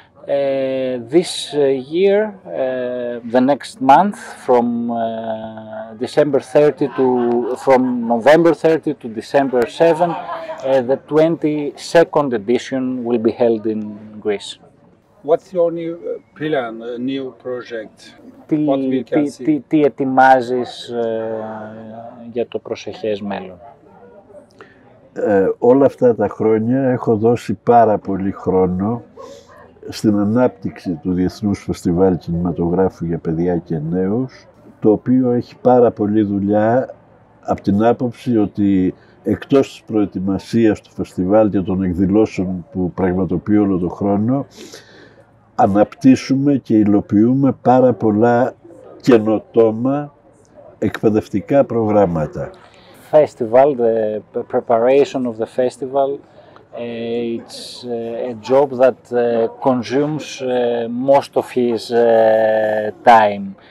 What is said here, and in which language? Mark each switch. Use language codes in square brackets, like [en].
[en] This year, the next month, from November 30 to December 7, the 22nd edition will be held in Greece. What's your new plan, new project? [el] Τι ετοιμάζεις για το προσεχές μέλλον? Όλα αυτά τα χρόνια έχω δώσει πάρα πολύ χρόνο στην ανάπτυξη του Διεθνούς Φεστιβάλ Κινηματογράφου για Παιδιά και Νέους, το οποίο έχει πάρα πολύ δουλειά από την άποψη ότι εκτός της προετοιμασίας του φεστιβάλ και των εκδηλώσεων που πραγματοποιεί όλο τον χρόνο, αναπτύσσουμε και υλοποιούμε πάρα πολλά καινοτόμα εκπαιδευτικά προγράμματα. [en] Festival, the preparation of the festival, it's a job that consumes most of his time.